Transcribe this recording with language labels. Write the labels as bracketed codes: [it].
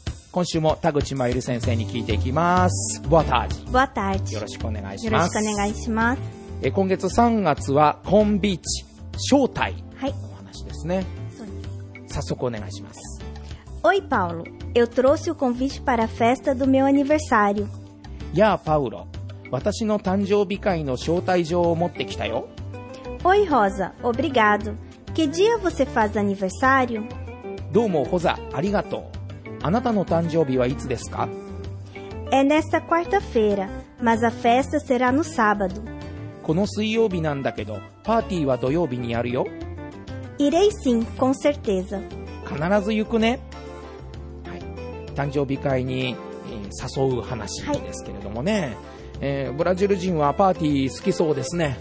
[ja] 今週も田口真由里先生に聞いていきます。 [pt] ボアタージ、ボアタージ、 [ja] よろしくお願いします。よろしくお願いします。今月3月はコンビーチ招待の話ですね、はい、早速お願いします。 [pt] Oi, Paulo. Eu trouxe o convite para a festa do meu aniversário. [ja] Ya, Paulo. 私の誕生日会の招待状を持ってきたよ。 [pt] Oi, Rosa. Obrigado. Que dia você faz aniversário? [ja] どうも、Rosa. ありがとう。あなたの誕生日はいつですか? [pt] É nesta quarta-feira, mas a festa será no sábado. [ja] この水曜日なんだけど、パーティーは土曜日にやるよ。 [pt] Irei sim, com certeza. [ja] 必ず行くね。誕生日会に誘う話ですけれどもね、はい、ブラジル人はパーティー好きそうですね。